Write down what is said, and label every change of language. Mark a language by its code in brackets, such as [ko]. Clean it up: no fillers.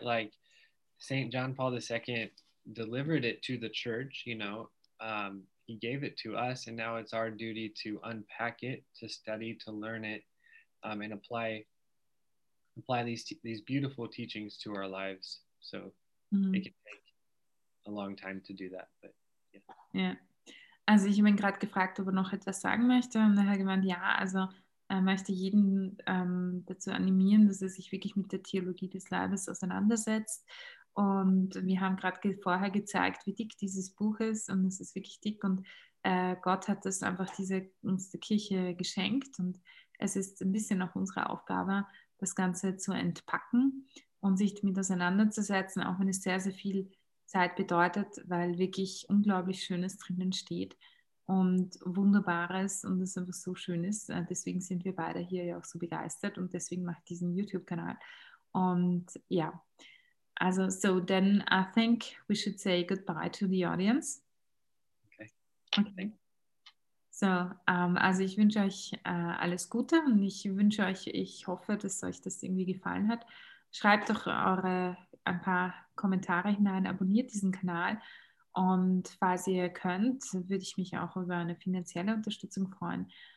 [en] Like Saint John Paul II delivered it to the church, you know, he gave it to us, and now it's our duty to unpack it, to study, to learn it, and apply these beautiful teachings to our lives. So it can take a long time to do that, but yeah. [de] Ja, also ich habe ihn gerade gefragt, ob er noch etwas sagen möchte. Und er hat gemeint, ja, also er möchte jeden dazu animieren, dass er sich wirklich mit der Theologie des Leibes auseinandersetzt. Und wir haben gerade vorher gezeigt, wie dick dieses Buch ist. Und es ist wirklich dick. Und Gott hat das einfach uns der Kirche geschenkt. Und es ist ein bisschen auch unsere Aufgabe, das Ganze zu entpacken und sich damit auseinanderzusetzen, auch wenn es sehr, sehr viel Zeit bedeutet, weil wirklich unglaublich Schönes drinnen steht und Wunderbares und es einfach so schön ist. Deswegen sind wir beide hier ja auch so begeistert und deswegen mache ich diesen YouTube-Kanal. Und ja, also so, [en] then I think we should say goodbye to the audience. Okay. [de] So, also ich wünsche euch alles Gute und ich hoffe, dass euch das irgendwie gefallen hat. Schreibt doch ein paar Kommentare hinein, abonniert diesen Kanal und falls ihr könnt, würde ich mich auch über eine finanzielle Unterstützung freuen.